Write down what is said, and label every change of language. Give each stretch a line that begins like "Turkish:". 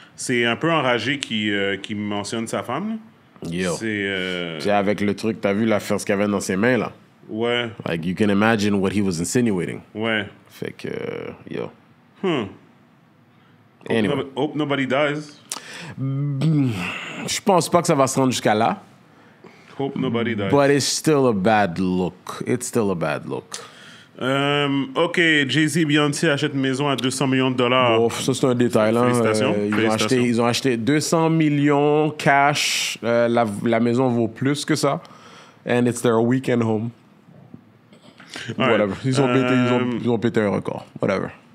French: C'est un peu enragé qui mentionne sa femme. Yo. C'est avec le truc, t'as vu l'affaire ce qu'il avait dans ses mains, là. Ouais.
English: Like, you can imagine what he was insinuating.
French: Ouais. Fait que, yo.
English: Hmm. Anyway. Hope nobody dies.
French: Je pense pas que ça va se rendre jusqu'à là.
English: Hope nobody dies. But it's still a bad look. It's still a bad look.
French: Ok, Jay-Z et Beyoncé achètent une maison à $200 million. Bon, ça, c'est un détail. Hein. Ils ont acheté 200 millions cash. La maison vaut plus que ça.
English: And it's their weekend home. Whatever.
French: Ils ont pété un record. Whatever.